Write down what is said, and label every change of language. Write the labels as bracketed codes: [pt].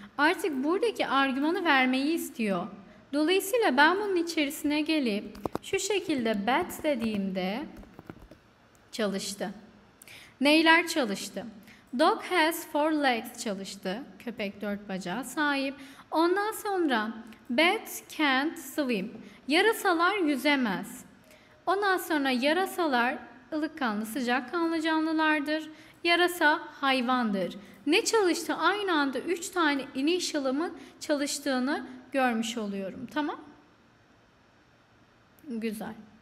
[tr] Artık buradaki argümanı vermeyi istiyor. Dolayısıyla ben bunun içerisine gelip şu şekilde bat dediğimde çalıştı. Neyler çalıştı? [en] Dog has four legs [tr] çalıştı. Köpek dört bacağı sahip. Ondan sonra [en] bat can't swim. [tr] Yarasalar yüzemez. Ondan sonra yarasalar ılıkkanlı, sıcakkanlı canlılardır. Yarasa hayvandır. Ne çalıştı? Aynı anda 3 tane initial'ımın çalıştığını görmüş oluyorum. Tamam. Güzel.